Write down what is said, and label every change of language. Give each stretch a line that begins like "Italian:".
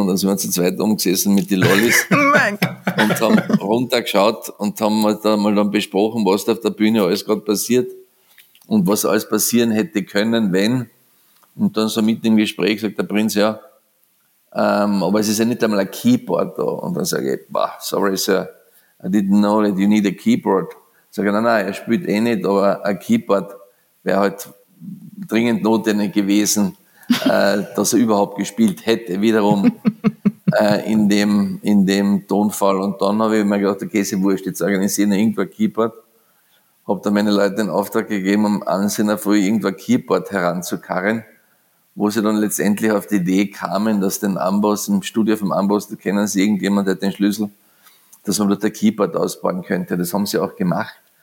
German: Und dann sind wir zu zweit umgesessen mit den Lollis. Und haben runtergeschaut und haben halt dann mal dann besprochen, was da auf der Bühne alles gerade passiert und was alles passieren hätte können, wenn. Und dann so mitten im Gespräch sagt der Prinz, ja, aber es ist ja nicht einmal ein Keyboard da. Und dann sage ich, bah,
English: sorry, Sir, I didn't know that you need a keyboard.
German: Sage ich, nein, er spielt eh nicht, aber ein Keyboard wäre halt dringend notwendig gewesen, dass er überhaupt gespielt hätte, wiederum in dem Tonfall. Und dann habe ich mir gedacht, okay, ist ja wurscht, jetzt organisieren wir irgendwo ein Keyboard. Habe dann meine Leute den Auftrag gegeben, am Ansinnen früh irgendwo ein Keyboard heranzukarren, wo sie dann letztendlich auf die Idee kamen, dass den Amboss, im Studio vom Amboss, da kennen sie irgendjemand, der den Schlüssel, dass man dort ein Keyboard ausbauen könnte. Das haben sie auch gemacht.